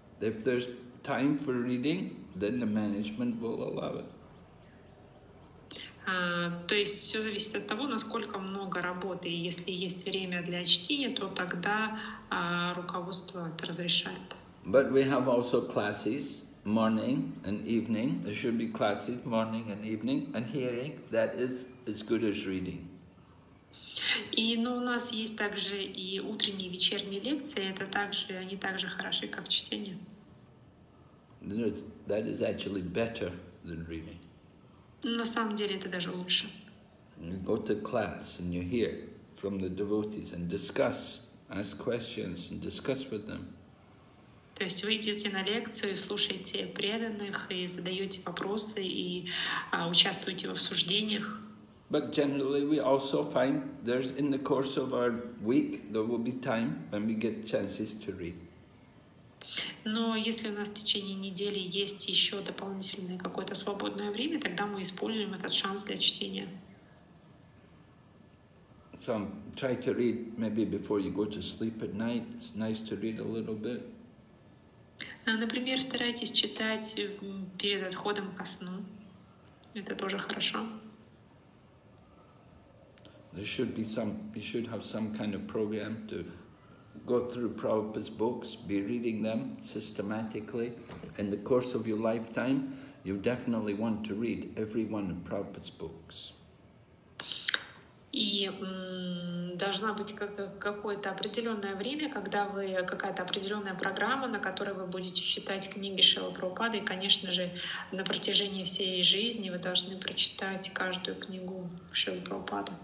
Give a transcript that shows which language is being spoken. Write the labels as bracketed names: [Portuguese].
[English] If there's time for reading, then the management will allow it. [Russian] То есть все зависит от того, насколько много работы. И если есть время для чтения, то тогда руководство это разрешает. [English] But we have also classes morning and evening. There should be classes morning and evening, and hearing that is as good as reading. [Russian] И, но у нас есть также и утренние, и вечерние лекции. Это также, они также хороши, как чтение. [English] That is actually better than reading. [Russian] На самом деле это даже лучше. [English] You go to class and you hear from the devotees and discuss, ask questions and discuss with them. [Russian] То есть вы идете на лекцию, слушаете преданных и задаете вопросы и участвуете в обсуждениях. [English] But generally, we also find there's in the course of our week there will be time when we get chances to read. [Russian] Но если у нас в течение недели есть еще дополнительное какое-то свободное время, тогда мы используем этот шанс для чтения. [English] So try to read maybe before you go to sleep at night. It's nice to read a little bit. [Russian] Например, старайтесь читать перед отходом ко сну. Это тоже хорошо. [English] There should be some, you should have some kind of program to go through Prabhupada's books, be reading them systematically. In the course of your lifetime, you definitely want to read every one of Prabhupada's books. [Russian] И должна быть какое-то определенное время, когда вы, какая-то определенная программа, на которой вы будете читать книги Шрилы Прабхупады. И, конечно же, на протяжении всей жизни вы должны прочитать каждую книгу Шрилы Прабхупады.